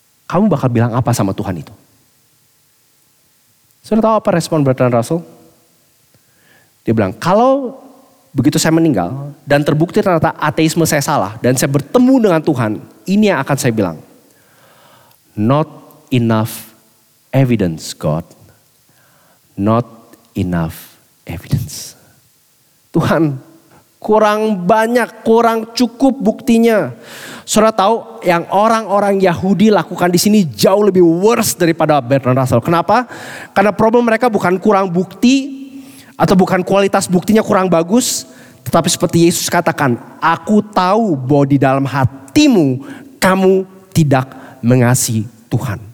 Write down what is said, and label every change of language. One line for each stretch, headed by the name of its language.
Indonesian: Kamu bakal bilang apa sama Tuhan itu? Sudah tahu apa respon Bertrand Russell? Dia bilang, kalau begitu saya meninggal dan terbukti ternyata ateisme saya salah dan saya bertemu dengan Tuhan, ini yang akan saya bilang.
English: Not enough evidence, God. Not enough evidence.
Indonesian: Tuhan, kurang banyak, kurang cukup buktinya. Saudara tahu yang orang-orang Yahudi lakukan di sini jauh lebih worse daripada Bertrand Russell. Kenapa? Karena problem mereka bukan kurang bukti atau bukan kualitas buktinya kurang bagus, tetapi seperti Yesus katakan, aku tahu bahwa di dalam hatimu kamu tidak mengasihi Tuhan.